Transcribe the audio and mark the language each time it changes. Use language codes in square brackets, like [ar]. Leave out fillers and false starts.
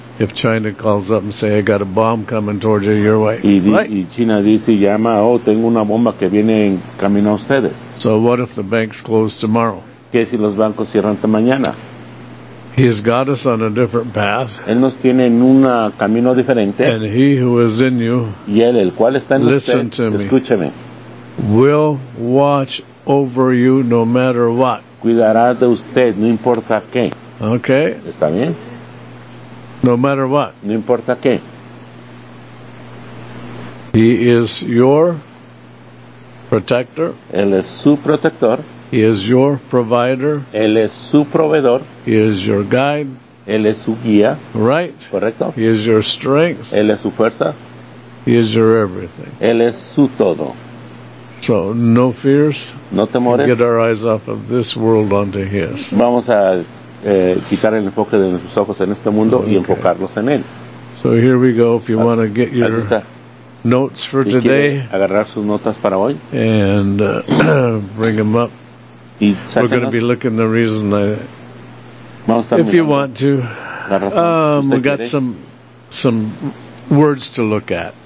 [en] If China calls up and say, I got a bomb coming towards you your way. [es] Y China dice, llama, oh, tengo una bomba que viene en camino a ustedes. [en] So what if the banks close tomorrow? [es] ¿Qué si los bancos cierran mañana? [en] He's got us on a different path. [es] Él nos tiene en un camino diferente. [en] And He who is in you, [es] y él, el cual está en [en] listen [es] usted, [en] to [es] escúcheme, [en] me, will watch over you no matter what. [es] Cuidará de usted, no importa qué. [en] Okay. [es] Está bien. [en] No matter what. [es] No importa qué. [en] He is your protector. [es] Él es su protector. [en] He is your provider. [es] Él es su proveedor. [en] He is your guide. [es] Él es su guía. [en] Right. [es] Correcto. [en] He is your strength. [es] Él es su fuerza. [en] He is your everything. [es] Él es su todo. [en] So, no fears. [es] No temores. [en] Get our eyes off of this world onto His. [es] Vamos a quitar el enfoque de nuestros ojos en este mundo okay. y enfocarlos en Él. [en] So here we go, if you want to get your notes for [es] si [en] today, [es] agarrar sus notas para hoy, [en] and bring them up. [es] Y [en] we're going to be looking the reason I, [es] vamos a estar [en] if you want to, we've got some words to look at.